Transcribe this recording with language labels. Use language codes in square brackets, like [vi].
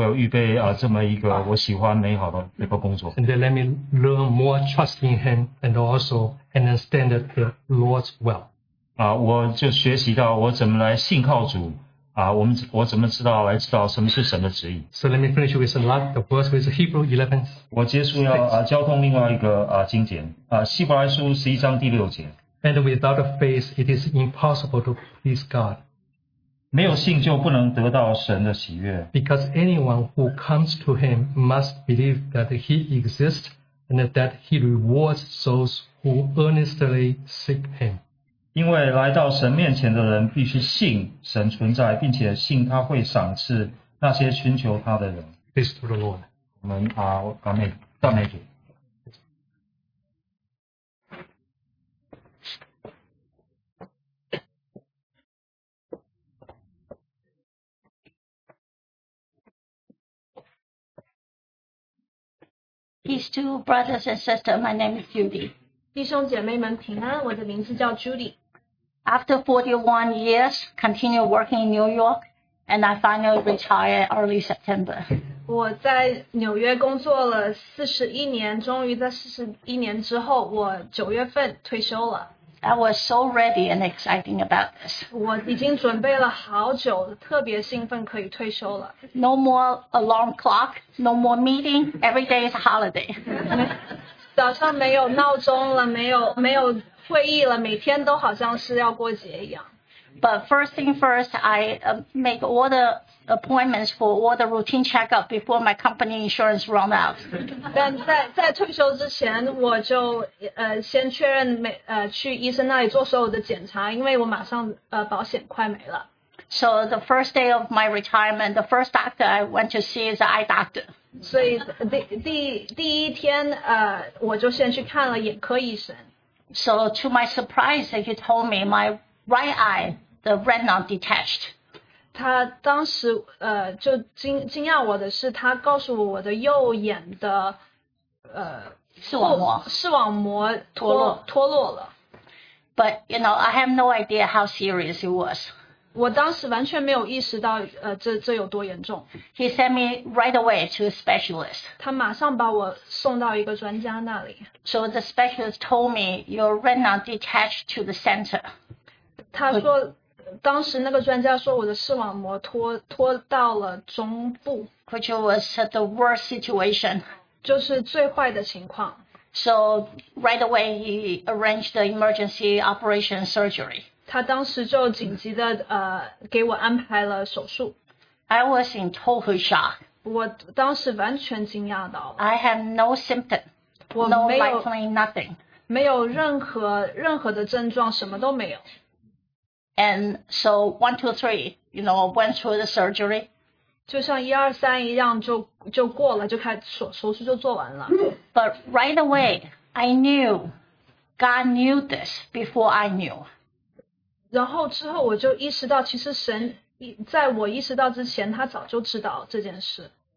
[zh] 我感谢主，能够为我预备这么一个我喜欢美好的一个工作。 [en] And then let me learn more trust in Him and also understand the Lord's will. [zh] 我就学习到我怎么来信靠主。我怎么知道什么是神的旨意？ [en] So let me finish with the verse with Hebrew 11. [zh] 我接触要交通另外一个经典，希伯来书11章6节。 [en] And without faith, it is impossible to please God. [zh] 没有信就不能得到神的喜悦。 [en] Because anyone who comes to him must believe that he exists and that he rewards those who earnestly seek him. [zh] 因为来到神面前的人必须信神存在，并且信他会赏赐那些寻求他的人。 [en] Praise to the Lord. [zh] 我们啊，阿门，赞美主。 [en] These two brothers and sisters, my name is Judy. [zh] 弟兄姐妹们平安，我的名字叫 Judy. [en] After 41 years, continue working in New York, and I finally retired early September. [zh] 我在纽约工作了41年，终于在41年之后，我9月份退休了。 [en] I was so ready and exciting about this. [zh] 我已经准备了好久，特别兴奋可以退休了。 [en] No more alarm clock, no more meeting, every day is a holiday. [zh] 早上没有闹钟了，没有会议了，每天都好像是要过节一样。 [en] But first thing first, I make all the appointments for all the routine checkup before my company insurance run out. [zh] 但在退休之前，我就先确认去医生那里做所有的检查，因为我马上保险快没了。 [en] So the first day of my retirement, the first doctor I went to see is the eye doctor. [zh] 所以第一天我就先去看了眼科医生。 [en] So to my surprise, he told me my right eye, the retina detached. [zh] 他当时就惊讶我的是，他告诉我的右眼的视网膜脱落了。 [en] But you know, I have no idea how serious it was. [zh] 我当时完全没有意识到这有多严重。 [en] He sent me right away to a specialist. [zh] 他马上把我送到一个专家那里。 [en] So the specialist told me your retina detached to the center. [zh] 他说。当时那个专家说我的视网膜脱到了中部 [en] ，which was the worst situation， [zh] 就是最坏的情况。 [en] So right away he arranged the emergency operation surgery。 [zh] 他当时就紧急的给我安排了手术。 [en] I was in total shock。 [zh] 我当时完全惊讶到了。 [en] I have no symptom， no likely nothing， [zh] 没有任何的症状，什么都没有。 [en] And so 1, 2, 3, you know, went through the surgery. [zh] 就像一二三一样就过了，就开始手术就做完了。 [en] But right away, I knew God knew this before I knew. [zh] 然后之后我就意识到，其实神在我意识到之前，他早就知道这件事。